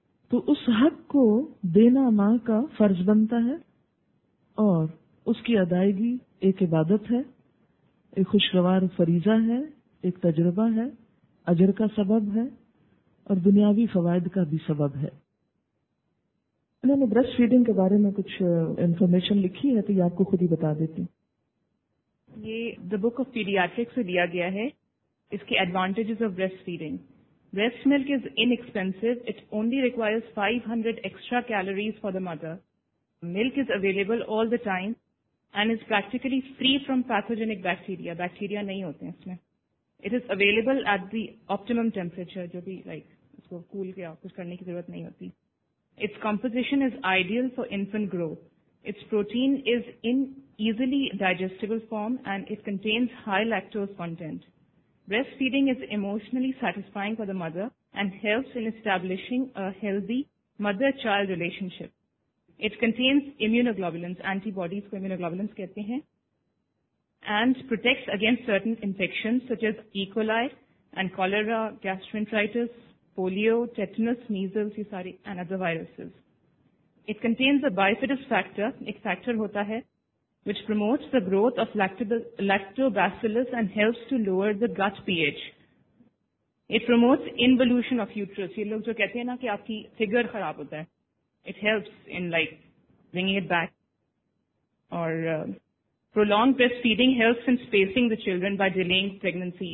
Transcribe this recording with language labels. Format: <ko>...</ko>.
<ur>تو اس حق کو دینا ماں کا فرض بنتا ہے، اور اس کی ادائیگی ایک عبادت ہے، ایک خوشگوار فریضہ ہے، ایک تجربہ ہے، اجر کا سبب ہے اور دنیاوی فوائد کا بھی سبب ہے۔ انہوں نے بریسٹ فیڈنگ کے بارے میں کچھ انفارمیشن لکھی ہے تو یہ آپ کو خود ہی بتا دیتی ہوں۔ یہ دا بک آف پیڈیاٹرک سے لیا گیا ہے، اس کے advantages of breast feeding.</ur> <en>Breast milk is inexpensive. It only requires 500 extra calories for the mother. Milk is available all the time and is practically free from pathogenic bacteria.</en> <ur>Bacteria nahi hote hain isme.</ur> <en>It is available at the optimum temperature,</en> <ur>jo bhi like usko cool kiya kuch karne ki zarurat nahi hoti.</ur> <en>Its composition is ideal for infant growth. Its protein is in easily digestible form and it contains high lactose content. Breast feeding is emotionally satisfying for the mother and helps in establishing a healthy mother-child relationship. It contains immunoglobulins,</en> <ur>antibodies ko immunoglobulins kehte hain,</ur> <en>and protects against certain infections such as E. coli and cholera, gastroenteritis, polio, tetanus, measles, yusari, and other viruses. It contains a bifidus factor,</en> <ur>ek factor hota hai,</ur> <en>which promotes the growth of lactobacillus and helps to lower the gut pH. It promotes involution of uterus.</en> <ur>یہ لوگ جو کہتے ہیں نا کہ آپ کی figure خراب ہوتا ہے,</ur> <en>It helps in like bringing it back. اور prolonged breast feeding helps in spacing the children by delaying pregnancy.</en>